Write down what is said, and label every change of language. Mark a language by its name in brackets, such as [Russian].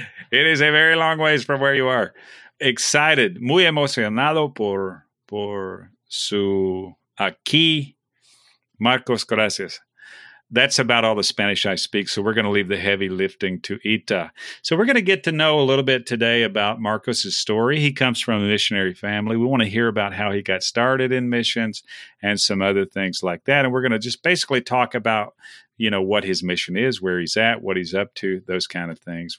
[English] It is a very long ways from where you are. Excited. [Spanish] Muy emocionado por su aquí. Marcos, gracias. [English] That's about all the Spanish I speak, so we're going to leave the heavy lifting to Ita. So we're going to get to know a little bit today about Marcos's story. He comes from a missionary family. We want to hear about how he got started in missions and some other things like that. And we're going to just basically talk about, you know, what his mission is, where he's at, what he's up to, those kind of things.